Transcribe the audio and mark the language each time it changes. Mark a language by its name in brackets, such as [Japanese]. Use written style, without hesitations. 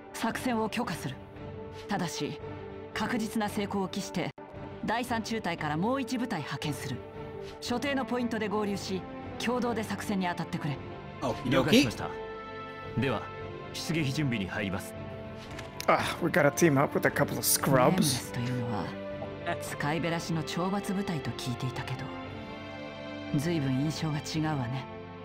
[Japanese] 圧倒的優勢な帝国軍には今ここで危険を冒して戦う理由がないのですから。奇襲される可能性を少しでも考えたなら、指揮官は退却を選ぶか。確かに理にはかなっている。だが見破られた場合は失われるのは我が部隊のみ。大きな問題はありません。分かった。作戦を許可する。ただし 確実な成功を期して、第三中隊からもう一部隊派遣する。所定のポイントで合流し、共同で作戦に当たってくれ。了解しました。では、出撃準備に入ります。 [English] We gotta team up with a couple of scrubs. [Japanese] というのは、使いべらしの懲罰部隊と聞いていたけど、随分印象が違うわね。